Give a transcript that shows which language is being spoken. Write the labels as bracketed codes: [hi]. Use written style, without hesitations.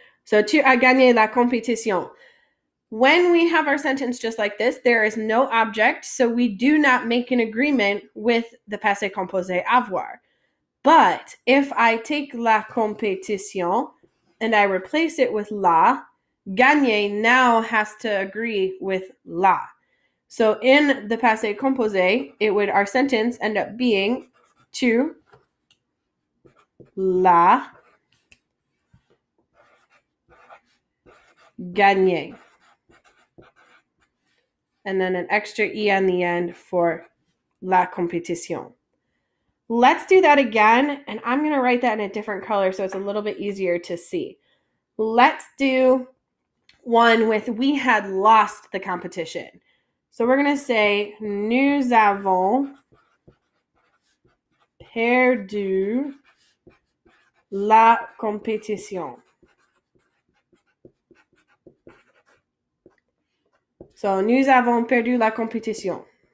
[fr] So tu as gagné la compétition. [en] When we have our sentence just like this, there is no object, so we do not make an agreement with the passé composé avoir. But if I take [fr] la compétition [en] and I replace it with la, gagné now has to agree with la. So in the passé composé, it would our sentence end up being [fr] tu la gagné. [en] And then an extra E on the end for la compétition. Let's do that again, and I'm going to write that in a different color so it's a little bit easier to see. Let's do one with we had lost the competition. So we're going to say [fr] nous avons perdu la compétition. So nous avons perdu la compétition.